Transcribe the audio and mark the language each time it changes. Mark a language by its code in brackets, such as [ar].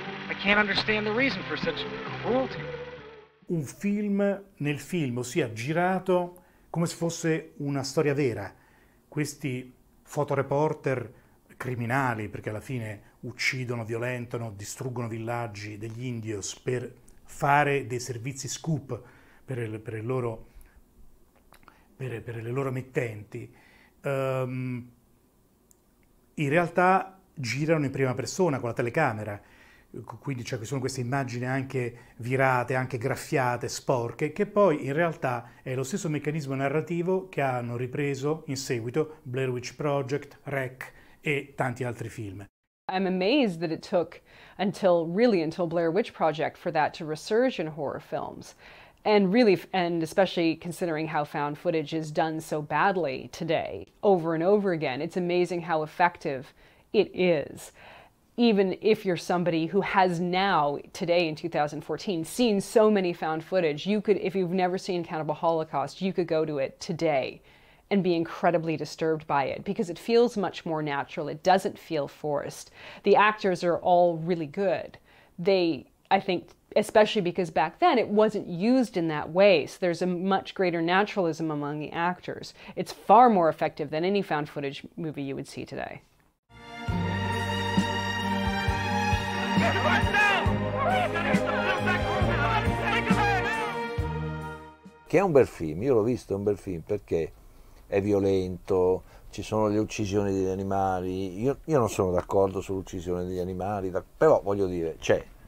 [en] I can't understand the reason for such cruelty. [it] Un film nel film, ossia girato come se fosse una storia vera. Questi fotoreporter criminali, perché alla fine uccidono, violentano, distruggono villaggi degli indios per fare dei servizi scoop per le loro emittenti, in realtà girano in prima persona con la telecamera. Quindi cioè, sono queste immagini anche virate, anche graffiate, sporche, che poi in realtà è lo stesso meccanismo narrativo che hanno ripreso in seguito Blair Witch Project, Rec e tanti altri film. [en] I'm amazed that it took until Blair Witch Project for that to resurge in horror films. And really, and especially considering how found footage is done so badly today, over and over again, it's amazing how effective it is. Even if you're somebody who has now, today in 2014, seen so many found footage, you could, if you've never seen Cannibal Holocaust, you could go to it today and be incredibly disturbed by it, because it feels much more natural. It doesn't feel forced. The actors are all really good. They, I think, especially because back then it wasn't used in that way, so there's a much greater naturalism among the actors. It's far more effective than any found footage movie you would see today. [it] Che è un bel film, io l'ho visto, è un bel film, perché è violento, ci sono le uccisioni degli animali, io non sono d'accordo sull'uccisione degli animali, però voglio dire, c'è.